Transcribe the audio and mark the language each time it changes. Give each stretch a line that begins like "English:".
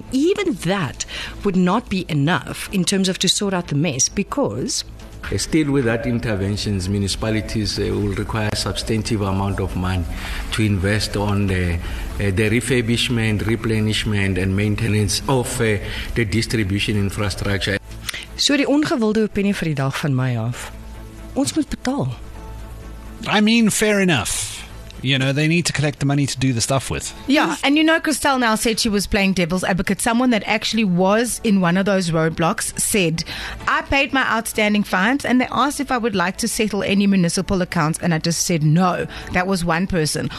English: And even that would not be enough in terms of to sort out the mess because... Still with that interventions, municipalities will require a substantive amount of money to invest on the refurbishment, replenishment and maintenance of the distribution infrastructure.
Afrikaans: So die ongewilde opinie vir die dag van my af. Ons moet betaal.
English: I mean, fair enough. You know, they need to collect the money to do the stuff with. Yeah, and you know, Christelle now said she was playing devil's advocate. Someone that actually was in one of those roadblocks said, I paid my outstanding fines and they asked if I would like to settle any municipal accounts and I just said no. That was one person.